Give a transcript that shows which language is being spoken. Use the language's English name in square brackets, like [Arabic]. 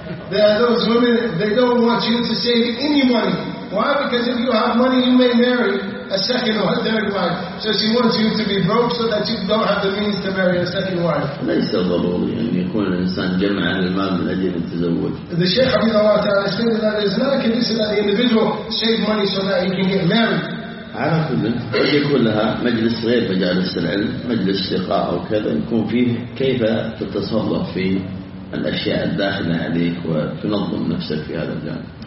[English] There are those women, they don't want you to save any money. Why? Because if you have money, you may marry. a second or a third wife. So she wants you to be broke so that you don't have the means to marry a second wife. [Arabic] ليس ضروري أن يكون الإنسان جمع المال من أجل التزوج. [English] The Shaykh [Arabic] حفظه الله تعالى [English] said that it's not a condition that the individual save money so that he can get married. [Arabic] على كل قد يكون لها مجلس غير مجالس العلم مجلس ثقة أو كذا يكون فيه كيف تتصرف في الأشياء الداخلة عليك وتنظم نفسك في هذا الجانب.